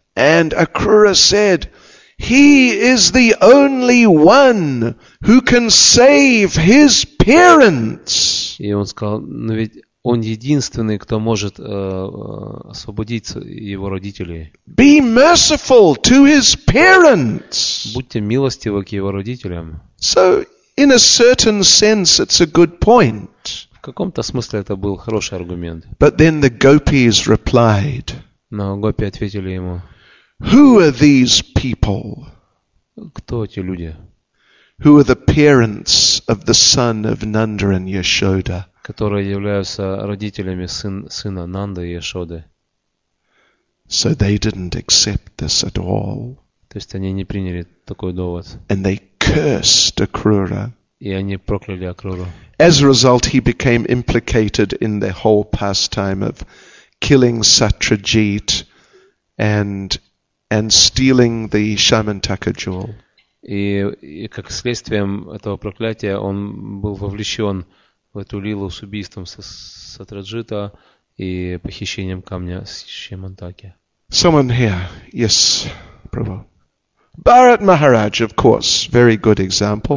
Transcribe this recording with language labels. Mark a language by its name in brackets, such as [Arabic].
[English] And Акрура said, "He is the only one who can save his parents." [Russian] И он сказал, но ведь он единственный, кто может освободить его родителей. [English] Be merciful to his parents. [Russian] Будьте милостивы к его родителям. [English] So, in a certain sense, it's a good point. [Russian] В каком-то смысле это был хороший аргумент. [English] But then the gopis replied. [Russian] Но гопи ответили ему. [English] Who are these people? [Russian] Кто эти люди? [English] Who are the parents of the son of Nanda and Yashoda? [Russian] Которые являются родителями сына Нанды и Яшоды. [English] So they didn't accept this at all. [Russian] То есть они не приняли такой довод. [English] And they cursed Акрура. [Russian] И они прокляли Акруру. [English] As a result, he became implicated in the whole pastime of killing Satrajit and stealing the Shamantaka jewel. [Russian] И как следствием этого проклятия он был вовлечен в эту лилу с убийством Сатраджита и похищением камня с Шимантаки. [English] Someone here. Yes, Prabhu. Bharat Maharaj, of course, very good example.